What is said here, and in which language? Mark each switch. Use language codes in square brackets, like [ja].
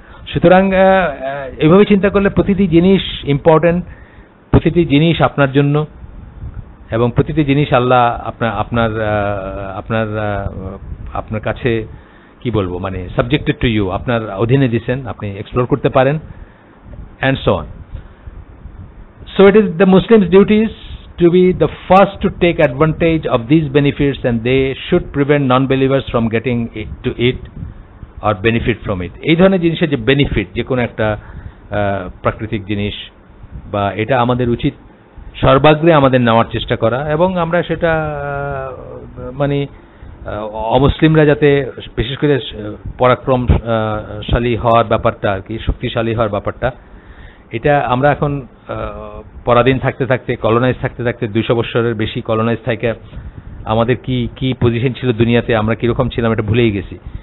[bn] সুতরাং এইভাবে চিন্তা করলে প্রতিটি জিনিস ইম্পর্ট্যান্ট, প্রতিটি জিনিস আপনার জন্য, এবং প্রতিটি জিনিস আল্লাহ আপনার আপনার আপনার কাছে কি বলবো মানে [en] subjected to you, [bn] আপনার অধীনে দিয়েছেন, আপনি এক্সপ্লোর করতে পারেন, [en] And so on. So it is the Muslims duties to be the first to take advantage of these benefits, and they should prevent non-believers from getting it, to it or benefit from it. [bn] এই ধরনের জিনিসের যে benefit, যে কোনো একটা প্রাকৃতিক জিনিস বা এটা, আমাদের উচিত সর্বাগ্রে আমাদের নেওয়ার চেষ্টা করা, এবং আমরা সেটা মানে অমুসলিমরা যাতে বিশেষ করে পরাক্রমশালী হওয়ার ব্যাপারটা আর কি, শক্তিশালী হওয়ার ব্যাপারটা, এটা আমরা এখন পরাধীন থাকতে থাকতে, কলোনাইজ থাকতে থাকতে, 200 বছরের বেশি কলোনাইজ থেকে আমাদের কি কি পজিশন ছিল দুনিয়াতে, আমরা কীরকম ছিলাম এটা ভুলেই গেছি।